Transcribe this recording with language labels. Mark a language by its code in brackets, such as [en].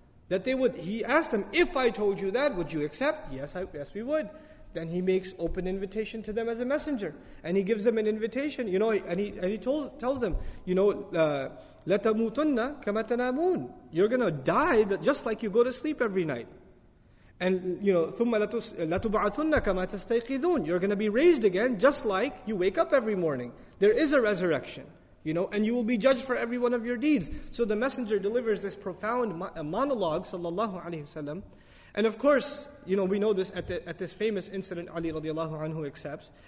[en] That they would, he asked them, if I told you that, would you accept? Yes, we would. Then he makes open invitation to them as a messenger. And he gives them an invitation, you know, and he tells them, you know, [ar] لَتَمُوتُنَّ كَمَا تَنَامُونَ. [en] You're going to die just like you go to sleep every night. And, you know, [ar] ثُمَّ لَتُبْعَثُنَّ كَمَا تَسْتَيْقِذُونَ. [en] You're going to be raised again just like you wake up every morning. There is a resurrection. You know, and you will be judged for every one of your deeds. So the messenger delivers this profound monologue, sallallahu alaihi wasallam. And of course, you know, we know this at this famous incident, Ali radiallahu anhu accepts.